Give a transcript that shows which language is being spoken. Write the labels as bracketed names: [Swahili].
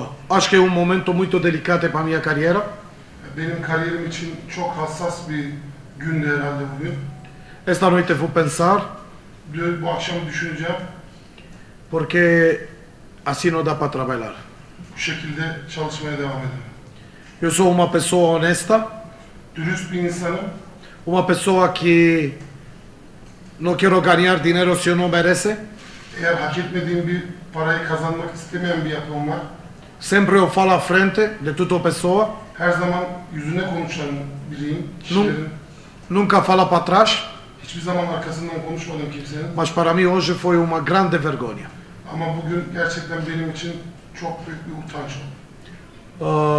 [Portuguese] Acho que é momento muito delicado para minha carreira. [Turkish] Benim kariyerim için çok hassas bir gündü herhalde bugün. [Portuguese] Esta noite vou pensar. [Turkish] Bu akşam düşüneceğim. [Portuguese] Porque assim não dá para trabalhar. [Turkish] Bu şekilde çalışmaya devam edelim. [Portuguese] Eu sou uma pessoa honesta. [Turkish] Dürüst bir insanım. [Portuguese] Uma pessoa que não quero ganhar dinheiro se eu não merece. [Turkish] Eğer hak etmediğim bir parayı kazanmak istemeyen bir yapım var. [Portuguese] Sempre eu falo à frente de toda pessoa. [Turkish] Her zaman yüzüne konuşan biriyim. [Portuguese] Nunca falo para trás. [Turkish] Hiçbir zaman arkasından konuşmadım kimsenin. [Portuguese] Mas para mim hoje foi uma grande vergonha. [Turkish] Ama bugün gerçekten benim için çok büyük bir utanç oldu.